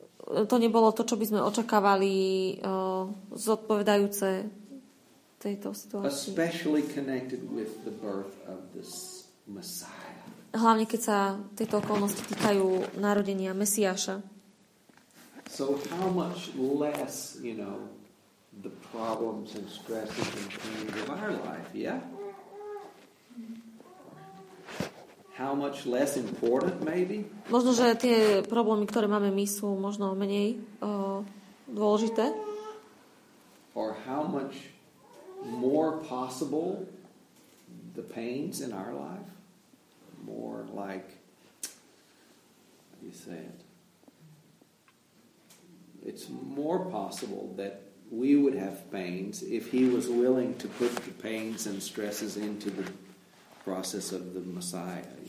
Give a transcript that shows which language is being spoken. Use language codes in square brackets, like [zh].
[sk] to nebolo to, čo by sme očakávali zodpovedajúce tejto situácii. [en] Especially connected with the birth of this Messiah. [sk] Hlavne keď sa tieto okolnosti týkajú narodenia Mesiáša. [en] So how much less, you know, the problems and stresses and pain of our life, yeah? How much less important maybe? [sk] Možno že tie problémy, ktoré máme my, sú možno menej dôležité. [en] Or how much more possible the pains in our life? More like, how do you say it? It's more possible that we would have pains if he was willing to put the pains and stresses into the process of the Messiah.